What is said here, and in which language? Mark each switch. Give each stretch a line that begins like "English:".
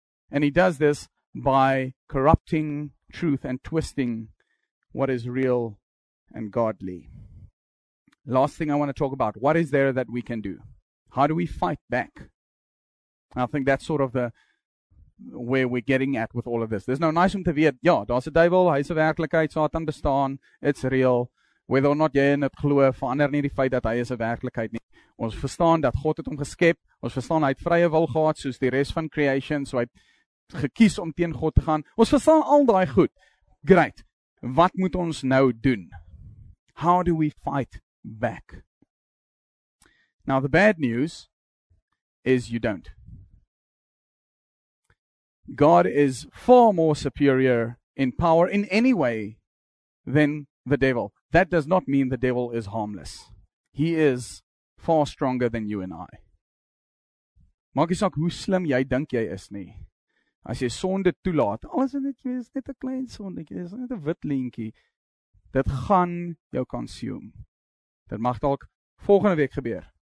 English: And he does this by corrupting truth and twisting what is real and godly. Last thing I want to talk about. What is there that we can do? How do we fight back? I think that's sort of the where we're getting at with all of this. There's no nice
Afrikaans: om te weet, ja, daar's 'n duivel, hy's 'n werklikheid, Satan bestaan,
English: it's real. Whether or not
Afrikaans: jy in dit glo, verander nie die feit dat hy is 'n werklikheid nie. Ons verstaan dat God het hom geskep, ons verstaan hy het vrye wil gehad soos die res van creation, so hy het gekies om teen God te gaan. Ons verstaan al daai goed. Great. Wat moet ons nou doen?
English: How do we fight back? Now the bad news is you don't. God is far more superior in power in any way than the devil. That does not mean the devil is harmless. He is far stronger than you and I.
Afrikaans: Maak nie saak hoe slim jy dink jy is nie. As jy sonde toelaat, alles in dit is net 'n klein sondetjie, is net 'n wit leentjie. Dit gaan jou consume. Dit mag dalk volgende week gebeur.